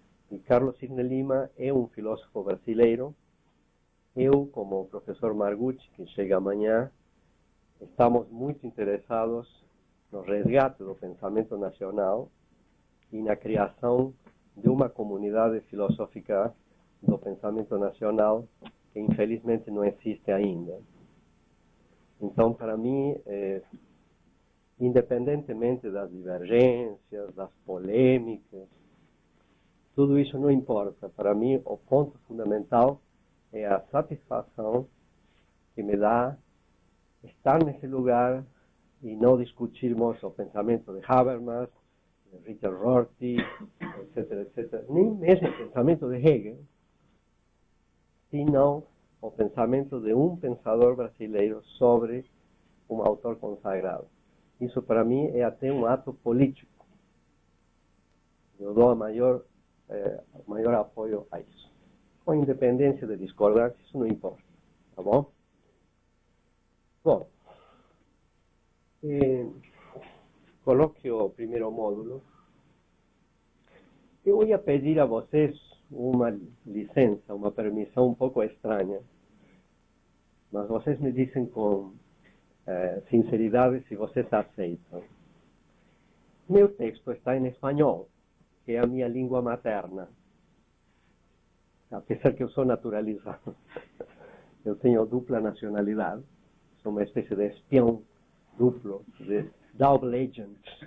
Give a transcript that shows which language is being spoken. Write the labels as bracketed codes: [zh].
[pt] E Carlos Cirne Lima é um filósofo brasileiro. Eu, como professor Margucci, que chega amanhã, estamos muito interessados no resgate do pensamento nacional e na criação de uma comunidade filosófica do pensamento nacional que, infelizmente, não existe ainda. Então, para mim, independentemente das divergências, das polêmicas, [es] Todo eso no importa. Para mí, el punto fundamental es la satisfacción que me da estar en ese lugar y no discutirmos el pensamiento de Habermas, de Richard Rorty, etcétera, etcétera, ni mesmo el pensamiento de Hegel, sino el pensamiento de un pensador brasileiro sobre un autor consagrado. Eso para mí es até un acto político. Yo doy mayor apoyo a eso. Con independencia de discordar, eso no importa. ¿Está bien? Bueno, coloque el primer módulo. Yo voy a pedir a vocês una licencia, una permisión un poco extraña, mas vocês me dicen con sinceridad si vocês aceitan. Mi texto está en español, que es mi lengua materna, a pesar que yo soy naturalizado. Yo tengo dupla nacionalidad, soy una especie de espión duplo, de [en] double agent.